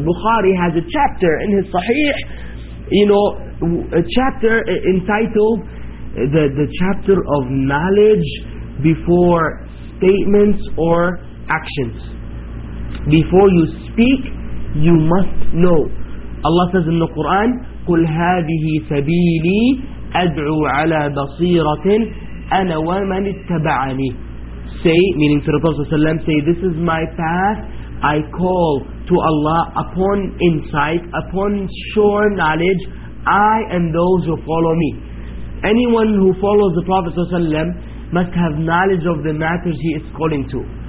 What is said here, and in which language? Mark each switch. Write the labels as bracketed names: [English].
[English] Bukhari has a chapter in his Sahih, you know, a chapter entitled the chapter of knowledge before statements or actions. Before you speak, you must know. Allah says in the Quran, [Arabic] قُلْ هَذِهِ سَبِيلِي أَدْعُوا عَلَىٰ بَصِيرَةٍ أَنَا وَمَنِ اتَّبَعَنِي. [English] Say, meaning to the Prophet ﷺ, say, this is my path, I call to Allah upon insight, upon sure knowledge, I and those who follow me. Anyone who follows the Prophet ﷺ must have knowledge of the matters he is calling to.